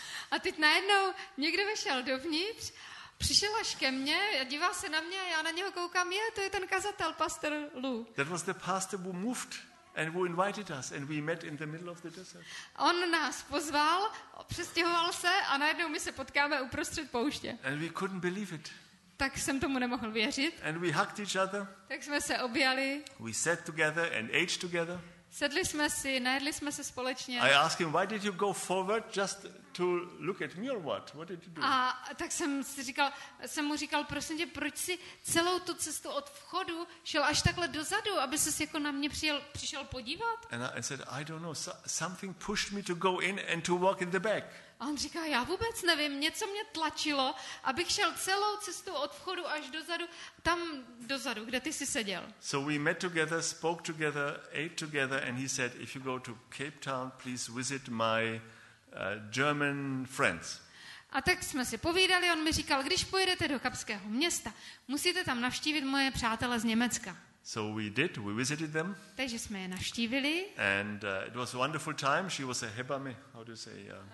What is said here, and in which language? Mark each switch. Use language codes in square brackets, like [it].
[cs] A teď najednou někdo vešel dovnitř, přišel až ke mně, díval se na mě a já na něho koukám, je, to je ten kazatel, Pastor Lou. [en] That was the pastor who moved and who invited us and we met in the middle of the desert. [cs] On nás pozval, přestěhoval se a najednou my se potkáme uprostřed pouště. [en] And we couldn't believe it. [cs] Tak jsem tomu nemohl věřit. [en] And we hugged each other. [cs] Tak jsme se objali. [en] We sat together and ate together. [cs] Sedli jsme si, najedli jsme se společně. [en] I asked him, why did you go forward just to look at me or what? What did you do? [cs] A tak jsem si říkal, jsem mu říkal, prosím tě, proč si celou tu cestu od vchodu šel až takhle dozadu, aby ses jako na mě přišel podívat? [en] And I said, I don't know, something pushed me to go in and to walk in the back. [cs] A on říká, já vůbec nevím, něco mě tlačilo, abych šel celou cestu od vchodu až dozadu, tam dozadu, kde ty jsi seděl. [en] So we met together, spoke together, ate together and he said, if you go to Cape Town, please visit my German friends. [cs] A tak jsme si povídali, on mi říkal, když pojedete do Kapského města, musíte tam navštívit moje přátele z Německa. [en] So we did, we visited them. [cs] Takže jsme je navštívili. [en] And it was a wonderful time, she was a hebamme, how do you say,